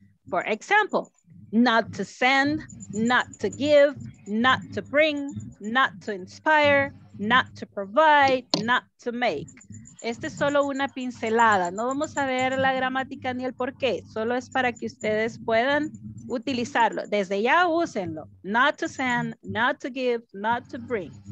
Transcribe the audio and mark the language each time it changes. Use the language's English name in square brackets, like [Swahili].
[English] For example, not to send, not to give, not to bring, not to inspire, not to provide, not to make. [Spanish] Esta es solo una pincelada. No vamos a ver la gramática ni el por qué. Solo es para que ustedes puedan utilizarlo. Desde ya úsenlo. [English] Not to send, not to give, not to bring.